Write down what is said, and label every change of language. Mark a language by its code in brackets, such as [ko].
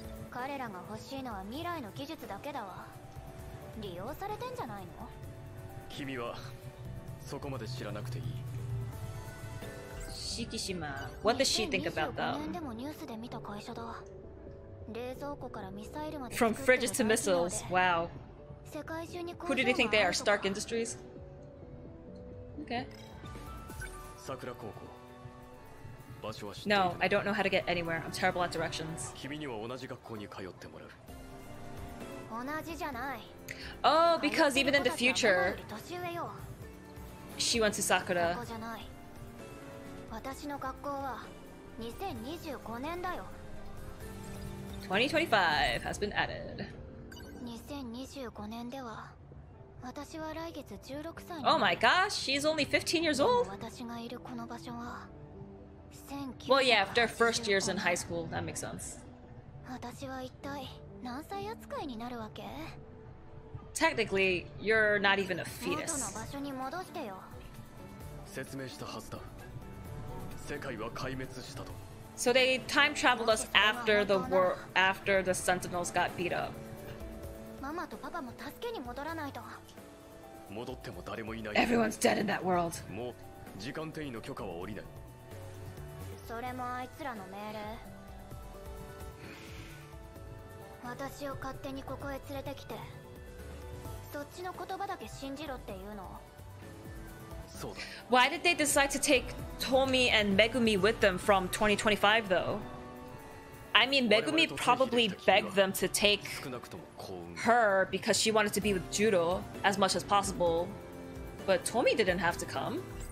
[ja] 彼らが欲しいのは未来の技術だけだわ。利用されてんじゃないの。君はそこまで知らなくていい。 [en] 敷島、 What does she think about that? 2025 [ja] 年でもニュースで見た会社だ。冷蔵庫からミサイルまで。 [en] From fridges to missiles, wow. [ja] 世界中に [en] Who do they think they are, Stark Industries? Okay. [ja] 桜高校。場所は知っている。 [en] No, I don't know how to get anywhere. I'm terrible at directions. [ja] 君には同じ学校に通ってもらう。同じじゃない。 [en] Oh, because even in the future, she went to Sakura. [ja] 学校じゃない。私の学校は2025年だよ。 [en] 2025 has been added. [ja] 2025年では私は来月16歳。 [en] Oh my gosh, she's only 15 years old. [ja] 私がいるこの場所は [en] Well, yeah, after first years in high school, that makes sense. [ja] 私は一体何歳扱いになるわけ。 [en] Technically, you're not even a fetus. [ja] 元の場所に戻してよ。説明したはずだ。世界は壊滅したと。 [en] So they time traveled us after the war, after the Sentinels got beat up. [ja] ママとパパも助けに戻らないと。戻っても誰もいない。 [en] Everyone's dead in that world. [ja] もう時間転移の許可は下りない。それもあいつらの命令。私を勝手にここへ連れてきて、そっちの言葉だけ信じろっていうの。そうだ。 [en] Why did they decide to take Tomi and Megumi with them from 2025, though? I mean, Megumi probably begged them to take her because she wanted to be with Judo as much as possible. But Tomi didn't have to come.